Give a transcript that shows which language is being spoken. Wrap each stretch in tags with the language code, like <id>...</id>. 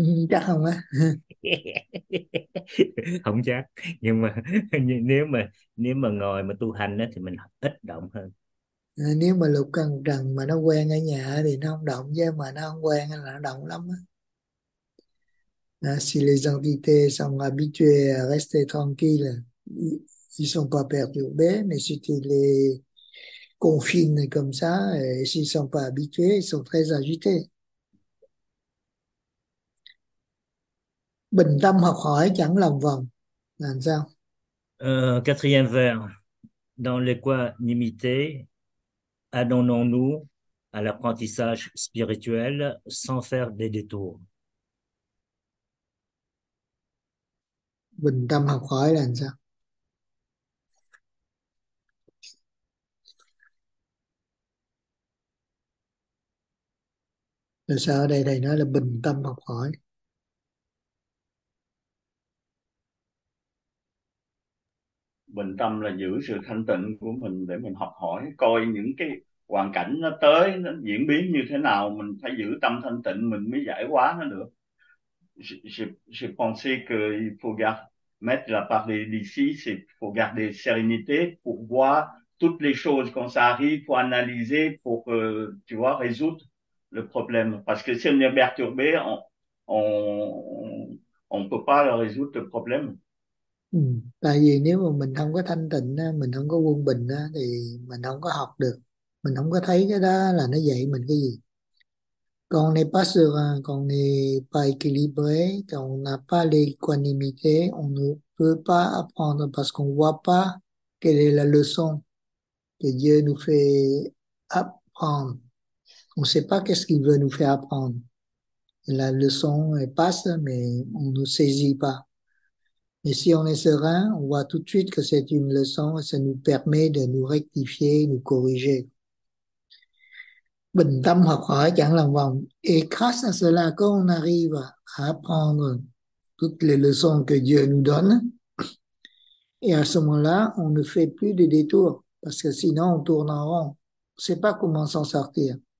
<vi>Chắc không á. Không chắc, nhưng mà nếu mà ngồi mà tu hành á, thì mình ít động hơn. Nếu mà lục căn trần mà nó quen ở nhà thì nó không động, chứ mà nó không quen là nó động lắm á.</vi> <fr>Si les invités sont habitués à rester tranquilles, ils sont pas perturbés, mais si tu les confines comme ça, s'ils sont pas habitués, ils sont très agités.</fr> <vi>Bình tâm học hỏi chẳng lòng vòng làm sao?</vi> <fr>Quatrième vers, dans l'équanimité, adonnons-nous à l'apprentissage spirituel sans faire des détours.</fr> <vi>Bình tâm học hỏi là làm sao? Là sao ở đây thầy nói là bình tâm học hỏi? Bình tâm là giữ sự thanh tịnh của mình để mình học hỏi, coi những cái hoàn cảnh nó tới, nó diễn biến như thế nào, mình phải giữ tâm thanh tịnh mình mới giải hóa nó được.</vi> <fr>Je pensais que il faut garder mettre la parole d'ici, c'est pour garder sérénité, pour voir toutes les choses quand ça arrive, pour analyser, pour, tu vois, résoudre le problème. Parce que si on est perturbé, on peut pas résoudre le problème.</fr> <vi>Tại vì nếu mà mình không có thanh tịnh, mình không có quân bình thì mình không có học được, mình không có thấy cái đó là nó dạy mình cái gì.</vi> <fr>Còn n'est pas serein, còn n'est pas équilibré, còn n'a pas l'équanimité, on ne peut pas apprendre parce qu'on ne voit pas quelle est la leçon que Dieu nous fait apprendre. On ne sait pas qu'est-ce qu'il veut nous faire apprendre. La leçon est passe, mais on ne saisit pas. Et si on est serein, on voit tout de suite que c'est une leçon et ça nous permet de nous rectifier, nous corriger.</fr> <vi>Bình tâm học hỏi chẳng lòng vòng.</vi> <fr>Et grâce à cela, quand on arrive à apprendre toutes les leçons que Dieu nous donne, et à ce moment-là, on ne fait plus de détours, parce que sinon, on tourne en rond. On ne sait pas comment s'en sortir.</fr>